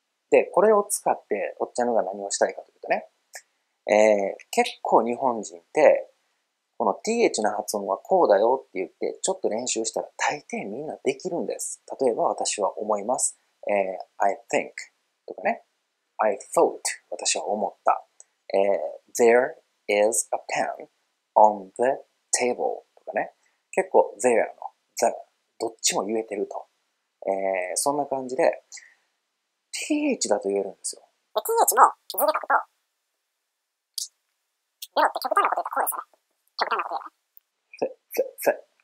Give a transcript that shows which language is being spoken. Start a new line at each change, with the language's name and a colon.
Japanese: で、これを使って、おっちゃんのが何をしたいかというとね、結構日本人って、この th の発音はこうだよって言って、ちょっと練習したら大抵みんなできるんです。例えば、私は思います。
English: I think
Japanese: とかね。
English: I thought
Japanese: 私は思った。
English: There is a pen on the table
Japanese: とかね。結構ゼーラのザラ、どっちも言えてると。そんな感じで、TH だと言えるんですよ。で、TH も気づいたこと、ゼロって極端なこと言ったらこうですよね。極端なこと言えば。